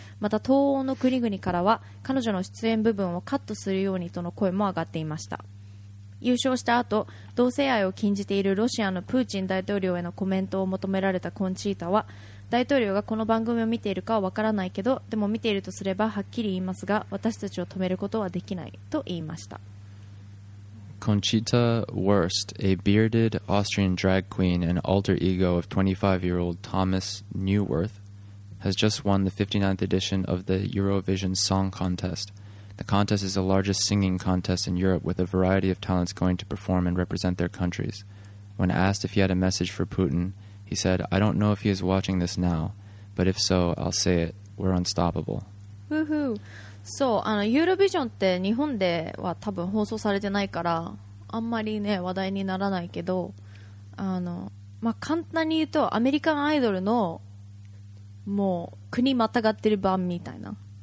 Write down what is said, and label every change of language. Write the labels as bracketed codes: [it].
[ja] また東欧の国々からは彼女の出演部分をカットするようにとの声も上がっていました。優勝した後、同性愛を禁じているロシアのプーチン大統領へのコメントを求められたコンチータは、大統領がこの番組を見ているかはわからないけど、でも見ているとすればはっきり言いますが、私たちを止めることはできないと言いました。 [en] Conchita Wurst, a bearded Austrian drag queen and alter ego of 25-year-old Thomas Neuwirth, has just won the 59th edition of the Eurovision Song Contest. The contest is the largest singing contest in Europe, with a variety of talents going to perform and represent their countries. When asked if he had a message for Putin, he said, "I don't know if he is watching this now, but if so, I'll say it. We're unstoppable." Woohoo! [ja] そう、あのユーロビジョンって日本では多分放送されてないからあんまりね話題にならないけど、あの、まあ、簡単に言うとアメリカンアイドルのもう国またがってる版みたいな、